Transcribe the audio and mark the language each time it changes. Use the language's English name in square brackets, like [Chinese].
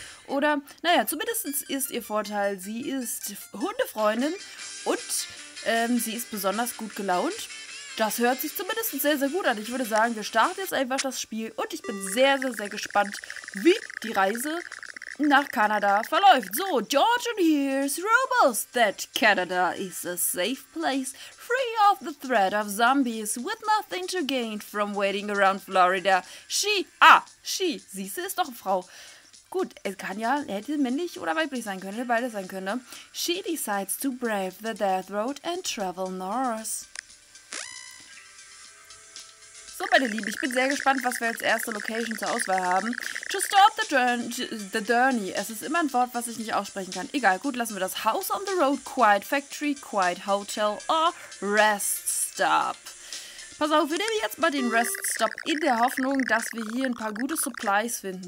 [German] Oder, naja, zumindest ist ihr Vorteil, sie ist Hundefreundin und sie ist besonders gut gelaunt. Das hört sich zumindest sehr, sehr gut an. Ich würde sagen, wir starten jetzt einfach das Spiel und ich bin sehr, sehr, sehr gespannt, wie die Reise nach Kanada verläuft. [English] So, Georgian hears rumors that Canada is a safe place, free of the threat of zombies, with nothing to gain from waiting around Florida. [German] Siehste, ist doch eine Frau. Gut, es kann ja, hätte männlich oder weiblich sein können, beide sein können. [English] She decides to brave the death road and travel north. [German] So, meine Lieben, ich bin sehr gespannt, was wir als erste Location zur Auswahl haben. [English] To start the journey. [German] Es ist immer ein Wort, was ich nicht aussprechen kann. Egal, gut, lassen wir das. [English] House on the road, quiet factory, quiet hotel or rest stop. [German] Pass auf, wir nehmen jetzt mal den Rest Stop in der Hoffnung, dass wir hier ein paar gute Supplies finden.